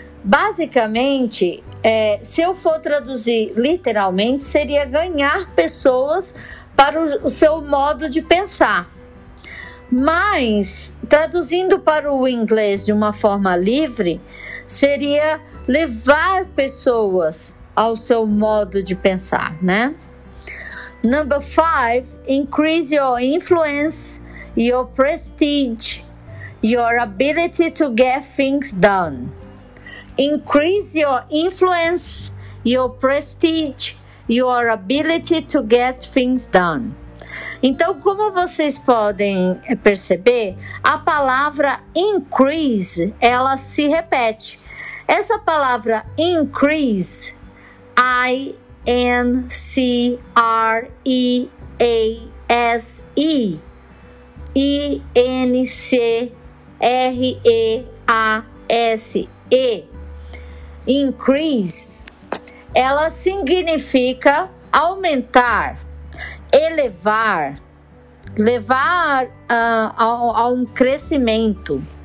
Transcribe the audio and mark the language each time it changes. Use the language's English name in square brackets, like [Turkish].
[Portuguese] Basicamente, se eu for traduzir literalmente, seria ganhar pessoas para o seu modo de pensar. Mas, traduzindo para o inglês de uma forma livre, seria levar pessoas ao seu modo de pensar, né? [English] Number 5, increase your influence, your prestige, your ability to get things done. Increase your influence, your prestige, your ability to get things done. [Portuguese] Então, como vocês podem perceber, a palavra increase, ela se repete. Essa palavra increase, I-N-C-R-E-A-S-E, I-N-C-R-E-A-S-E, increase, ela significa aumentar, elevar, levar a um crescimento.